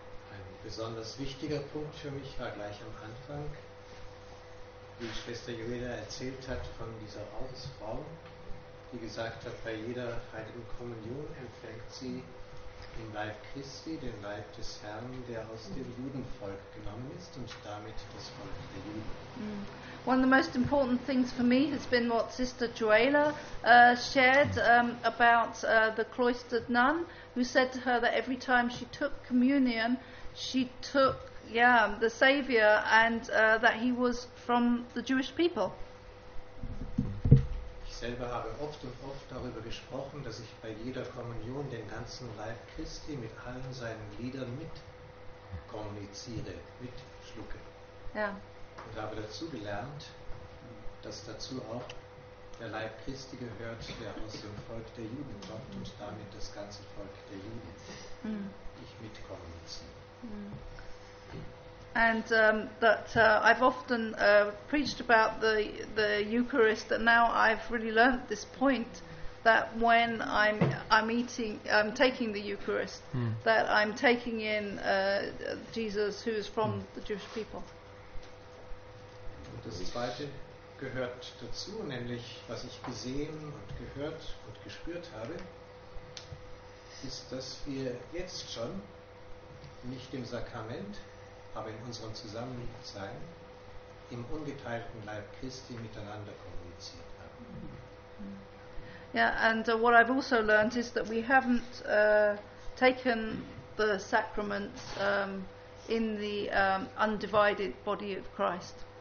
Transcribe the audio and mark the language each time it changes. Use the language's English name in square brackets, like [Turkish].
[German] Ein besonders wichtiger Punkt für mich war gleich am Anfang, wie Schwester Joeda erzählt hat von dieser Ordensfrau, die gesagt hat, bei jeder heiligen Kommunion empfängt sie den Leib Christi, den Leib des Herrn, der aus dem Judenvolk genommen ist und damit das Volk der Juden. [English] One of the most important things for me has been what Sister Joela shared about the cloistered nun, who said to her that every time she took communion, she took the Savior and that he was from the Jewish people. [German] Ich selber habe oft und oft darüber gesprochen, dass ich bei jeder Kommunion den ganzen Leib Christi mit allen seinen Gliedern mit kommuniziere, mit schlucke. Ja. Und habe dazu gelernt, dass dazu auch der Leib Christi gehört, der aus dem Volk der Juden kommt und damit das ganze Volk der Juden ich mit kommuniziere. [English] And that I've often preached about the Eucharist, and now I've really learned this point that when I'm taking the Eucharist, that I'm taking in Jesus, who is from the Jewish people. [German] Und das Zweite gehört dazu, nämlich was ich gesehen und gehört und gespürt habe, ist, dass wir jetzt schon nicht im Sakrament, aber in unserem Zusammensein im ungeteilten Leib Christi miteinander kommuniziert haben. [English] Yeah, and what I've also learned is that we haven't taken the sacraments in the undivided body of Christ.